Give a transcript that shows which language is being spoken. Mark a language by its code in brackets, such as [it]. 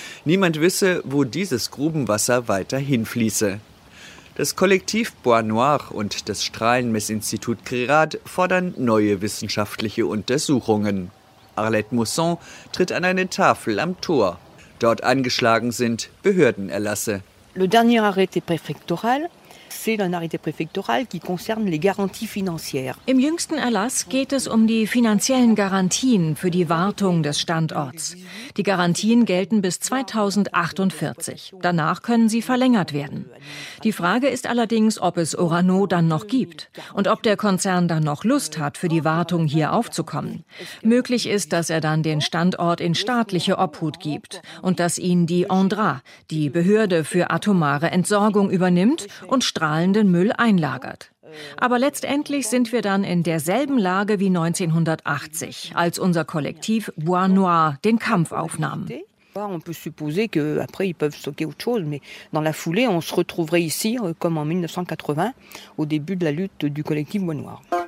[de] Niemand wisse, wo dieses Grubenwasser weiter hinfließe. Das Kollektiv Bois Noir und das Strahlenmessinstitut CRIRAD fordern neue wissenschaftliche Untersuchungen. Arlette Musson tritt an eine Tafel am Tor. Dort angeschlagen sind Behördenerlasse. [fr] Le dernier arrêté préfectoral. C'est un arrêté préfectoral qui concerne les garanties financières. [de] Im jüngsten Erlass geht es um die finanziellen Garantien für die Wartung des Standorts. Die Garantien gelten bis 2048. Danach können sie verlängert werden. Die Frage ist allerdings, ob es Orano dann noch gibt und ob der Konzern dann noch Lust hat, für die Wartung hier aufzukommen. Möglich ist, dass er dann den Standort in staatliche Obhut gibt und dass ihn die ANDRA, die Behörde für atomare Entsorgung, übernimmt und strahlenden Müll einlagert. Aber letztendlich sind wir dann in derselben Lage wie 1980, als unser Kollektiv Bois Noir den Kampf aufnahm. [fr] On peut supposer que après ils peuvent stocker autre chose, mais dans la foulée on se retrouverait ici comme en 1980 au début de la lutte du collectif Bois Noir.